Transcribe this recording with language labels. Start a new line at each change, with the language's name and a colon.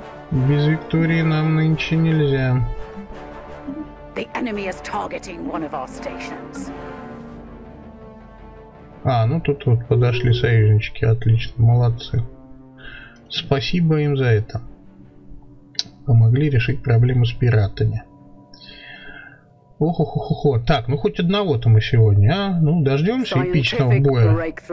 Russian: Без Виктории нам нынче нельзя.
English: The enemy is targeting one of our stations.
Russian: А, ну тут вот подошли союзнички. Отлично, молодцы. Спасибо им за это. Помогли решить проблему с пиратами. Охо-хо-хо-хо. Так, ну хоть одного-то мы сегодня, а? Ну, дождемся эпичного боя.